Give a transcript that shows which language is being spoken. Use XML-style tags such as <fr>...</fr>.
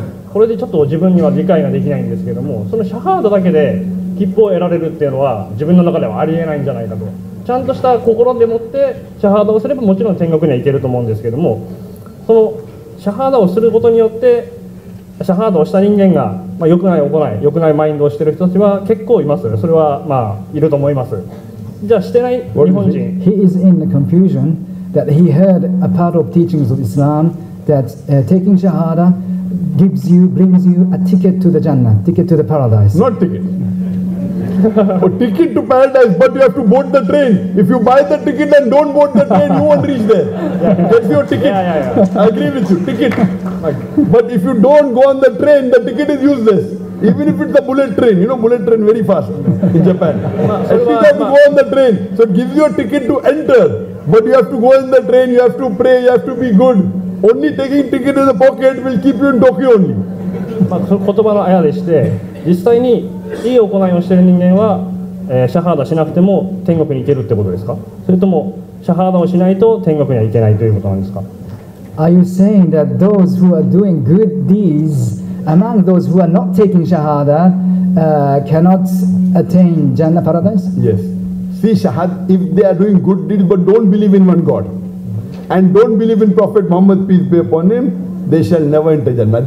<ja>これでちょっと自分には理解ができないんですけども、そのシャハダだけで切符を得られるっていうのは、自分の中ではありえないんじゃないかと、ちゃんとした心でもって、シャハダをすればもちろん天国には行けると思うんですけども、そのシャハダをすることによって、シャハダをした人間が、まあ、良くない行い、良くないマインドをしている人たちは結構います、それはまあいると思います。じゃあ、してない日本人。</ja> <en>He is in the confusion. That he heard a part of teachings of Islam that、taking shahada gives you, brings you a ticket to the Jannah, ticket to the paradise. Not ticket. A ticket to paradise, but you have to board the train. If you buy the ticket and don't board the train, you won't reach there. That's your ticket. Yeah. I agree with you, ticket. But if you don't go on the train, the ticket is useless. Even if it's a bullet train, you know bullet train very fast in Japan. If you have to go on the train, so it gives you a ticket to enter. But you have to go in the train, you have to pray, you have to be good. Only taking ticket in the pocket will keep you in Tokyo only.</en> <ja>まあ、言葉のあやでして、実際にいい行いをしている人間は、シャハダしなくても天国に行けるってことですか？それともシャハダをしないと天国には行けないということなんですか？</ja> <en>Are you saying that those who are doing good deeds among those who are not taking shahada, cannot attain Jannah paradise? Yes. See, Shahad, if they are doing good deeds but don't believe in one God and don't believe in Prophet Muhammad, peace be upon him, they shall never enter Jannah.</en>